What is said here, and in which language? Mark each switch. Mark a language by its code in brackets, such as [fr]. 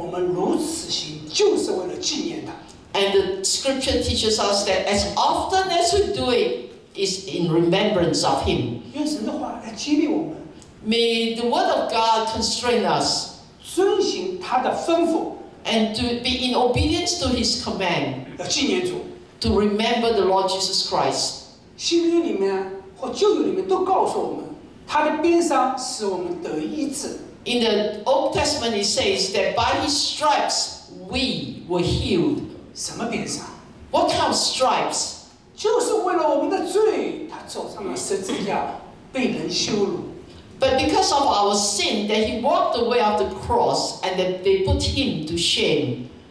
[zh] 圣经里面告诉我们，我们如此行就是为了纪念他。 [en] And the scripture teaches us that as often as we do it, is in remembrance of him. May the word of God constrain us and to be in obedience to his command to remember the Lord Jesus Christ. In the Old Testament, it says that by his stripes we were healed. [zh] 什么边上? [en] What kind of stripes? [zh] 就是为了我们的罪，他走上了十字架，被人羞辱。 [en] But because of our sin, that he walked away of the cross, and that they put him to shame.